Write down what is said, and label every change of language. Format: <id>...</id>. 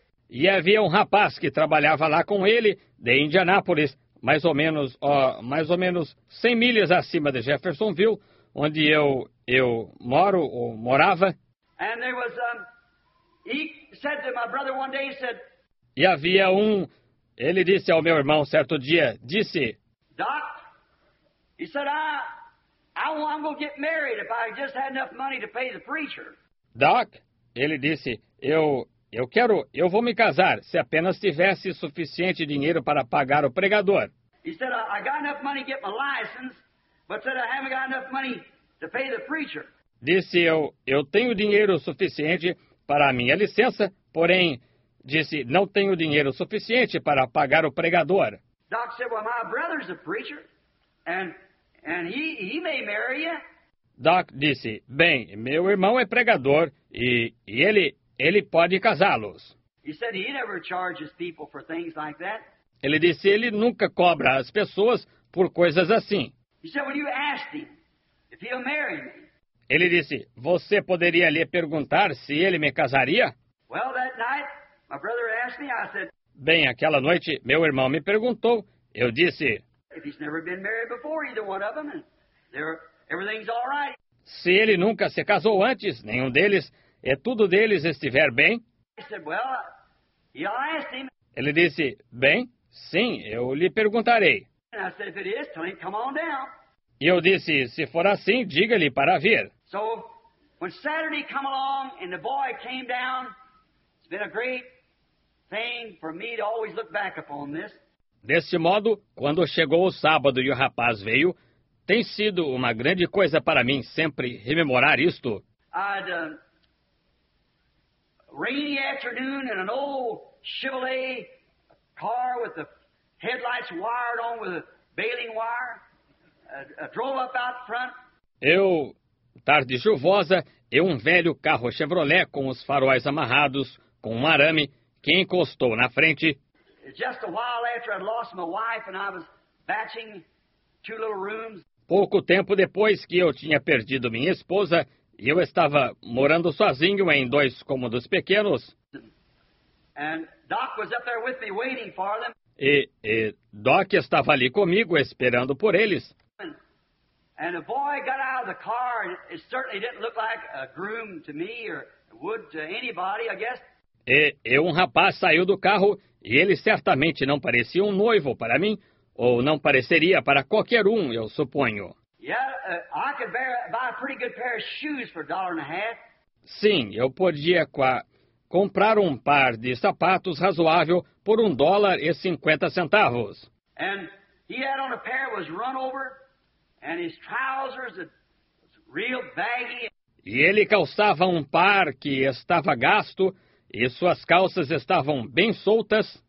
<pt>E havia um rapaz que trabalhava lá com ele, de Indianápolis, mais ou menos 100 milhas acima de Jeffersonville, onde eu moro ou morava.</pt> <en>And there was he said to my brother one day, he said,</en> <pt>e havia um, ele disse ao meu irmão certo dia, disse,</pt> <en>Doc, he said, I'm going to get married if I just had enough money to pay the preacher.</en> <pt>Doc, ele disse, eu vou me casar se apenas tivesse suficiente dinheiro para pagar o pregador.</pt> <en>He said, I got enough money to get my license, but said I haven't got enough money to pay the preacher.</en> <pt>Disse eu tenho dinheiro suficiente para a minha licença, porém, disse, não tenho dinheiro suficiente para pagar o pregador.</pt> <en>Doc said, well, my brother's a preacher, and he may marry you.</en> <pt>Doc disse, bem, meu irmão é pregador e ele pode casá-los.</pt> <en>He said he never charges people for things like that.</en> <pt>Ele disse, ele nunca cobra as pessoas por coisas assim.</pt> <en>He said, when you asked him if he'll marry me.</en> <pt>Ele disse, você poderia lhe perguntar se ele me casaria?</pt> <en>Well, that night, my brother asked me, I said,</en> <pt>bem, aquela noite, meu irmão me perguntou, eu disse,</pt> <en>if he's never been married before, either one of them, everything's all right.</en> <pt>Se ele nunca se casou antes, nenhum deles, e tudo deles estiver bem.</pt> <en>I said, well, I'll ask him.</en> <pt>Ele disse, bem, sim, eu lhe perguntarei.</pt> <en>And I said, if it is, tell him, come on down.</en> <pt>E eu disse, se for assim, diga-lhe para vir.</pt> <en>So, when Saturday came along and the boy came down, it's been a great thing for me to always look back upon this.</en> <pt>Desse modo, quando chegou o sábado e o rapaz veio, tem sido uma grande coisa para mim sempre rememorar isto.</pt> <en>I'd, rainy afternoon in an old Chevrolet car with the headlights wired on with a baling wire. Drove up out front.</en> <pt>Eu, tarde chuvosa, e um velho carro Chevrolet com os faróis amarrados, com um arame, que encostou na frente.</pt> <en>Just a while after I'd lost my wife and I was batching two little rooms.</en> <pt>Pouco tempo depois que eu tinha perdido minha esposa, e eu estava morando sozinho em dois cômodos pequenos.</pt> <en>And Doc was up there with me waiting for them.</en> <pt>E Doc estava ali comigo esperando por eles.</pt> <en>And a boy got out of the car and it certainly didn't look like a groom to me or would to anybody, I guess.</en> <pt>E um rapaz saiu do carro e ele certamente não parecia um noivo para mim ou não pareceria para qualquer um, eu suponho.</pt> <en>Yeah, I could buy a pretty good pair of shoes for a dollar and a half.</en> <pt>Sim, eu podia comprar um par de sapatos razoável por um dólar e 50 centavos.</pt> <en>And he had on a pair that was run over. And his trousers was real baggy.</en> <pt>E ele calçava um par que estava gasto, e suas calças estavam bem soltas.</pt>